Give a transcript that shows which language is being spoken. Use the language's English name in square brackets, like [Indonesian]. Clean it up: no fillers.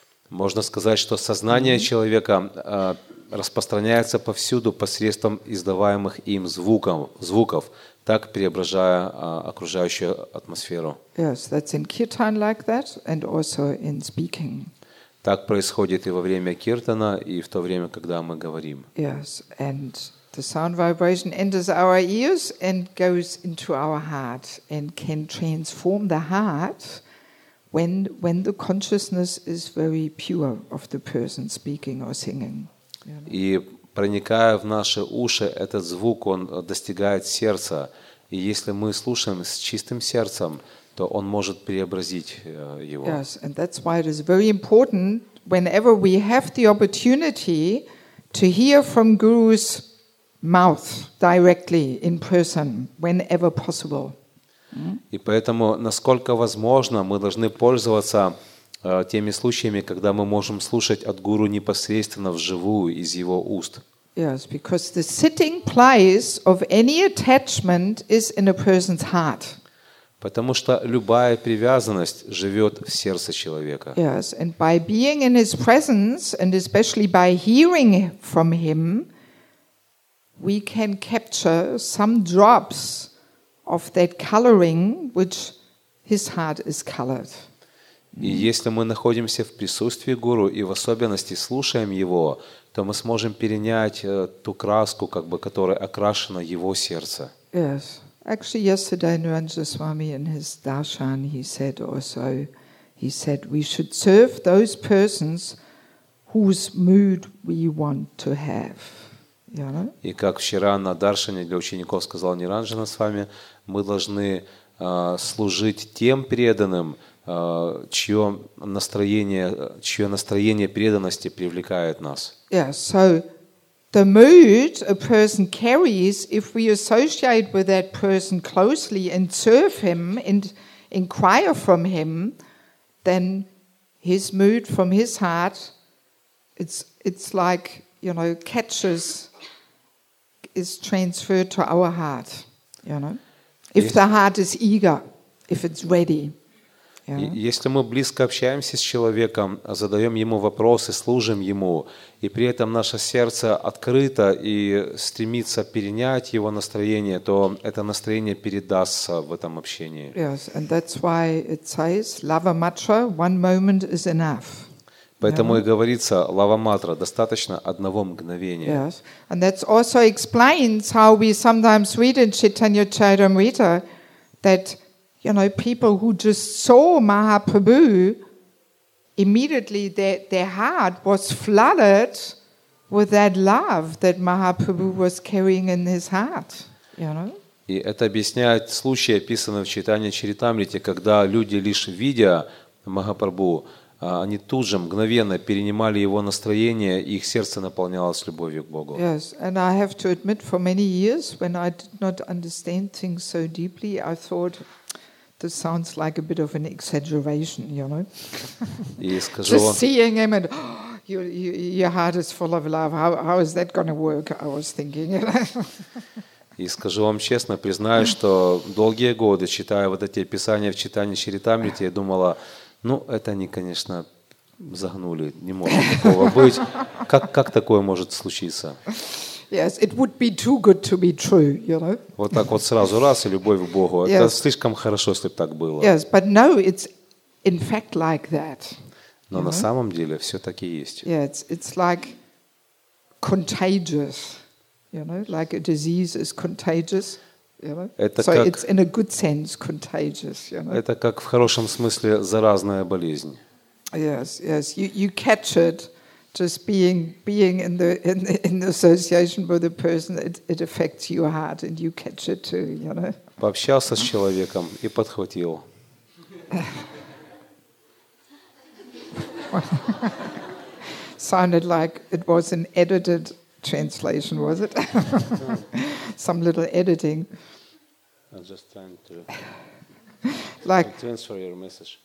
[Russian] Можно сказать, что сознание человека распространяется повсюду посредством издаваемых им звуков, так преображая окружающую атмосферу. [English] Yes, that's in kirtan like that, and also in speaking. [Russian] Так происходит и во время киртана, и в то время, когда мы говорим. [English] Yes, and the sound vibration enters our ears and goes into our heart and can transform the heart when the consciousness is very pure of the person speaking or singing. [Russian] И проникая в наши уши, этот звук, он достигает сердца. И если мы слушаем с чистым сердцем, то он может преобразить его. [English] Yes, and that's why it is very important whenever we have the opportunity to hear from Guru's mouth directly in person, whenever possible. [Russian] И поэтому, насколько возможно, мы должны пользоваться теми случаями, когда мы можем слушать от Гуру непосредственно вживую из его уст. [English] Yes, because the sitting place of any attachment is in a person's heart. [Russian] Потому что любая привязанность живет в сердце человека. [English] Yes, and by being in his presence, and especially by hearing from him, we can capture some drops of that coloring which his heart is colored. [Russian] И если мы находимся в присутствии Гуру и в особенности слушаем его, то мы сможем перенять ту краску, как бы, которая окрашена его сердце. [English] Yes. Actually, yesterday Niranjana Swami in his darshan, he said, we should serve those persons whose mood we want to have. You know? [Russian] И как вчера на даршане для учеников сказал Ниранджана Свами, мы должны служить тем преданным, чье настроение преданности привлекает нас. [English] Yeah, so the mood a person carries, if we associate with that person closely and serve him and inquire from him, then his mood from his heart, it's like, you know, catches, is transferred to our heart, you know. If the heart is eager, if it's ready. Yeah. [Russian] Если мы близко общаемся с человеком, задаем ему вопросы, служим ему, и при этом наше сердце открыто и стремится перенять его настроение, то это настроение передастся в этом общении. [English] Yes, and that's why it says, "Lava Matra, one moment is enough." [Russian] Поэтому yeah. и говорится, "Lava Matra, достаточно одного мгновения." [English] Yes, and that also explains how we sometimes read in Chaitanya Charitamrita that, you know, people who just saw Mahaprabhu, immediately their heart was flooded with that love that Mahaprabhu was carrying in his heart. You know. [Russian] И это объясняет случай, описанный в Чайтанья Чаритамрите, когда люди, лишь видя Махапрабху, они тут же мгновенно перенимали его настроение, и их сердце наполнялось любовью к Богу. [English] Yes, and I have to admit, for many years, when I did not understand things so deeply, I thought, this sounds like a bit of an exaggeration, you know. Just seeing him and your heart is full of love. How is that going to work? I was thinking. [Russian] И скажу вам честно, признаюсь, что долгие годы, читая вот эти описания в Чайтанья Чаритамрите, я думала, ну, это они, конечно, загнули. Не может такого быть. Как такое может случиться? [English] Yes, it would be too good to be true, you know. [Russian] Вот так вот сразу раз и любовь к Богу. [English] Yes. [Russian] Это слишком хорошо, если бы так было. [English] Yes, but no, it's in fact like that. [Russian] Но на самом деле все так и есть. [English] Yeah, it's like contagious, you know, like a disease is contagious. [Russian] Это [English] so [Russian] как, [English] it's in a good sense contagious, you know. [Russian] Это как в хорошем смысле заразная болезнь. [English] Yes, yes, you catch it. Just being in the association with a person, it affects your heart and you catch it too, you know. [Russian] Пообщался с человеком и подхватил. [English] Sounded like it was an edited translation, was it? Some little editing. I'm just trying to transfer your message.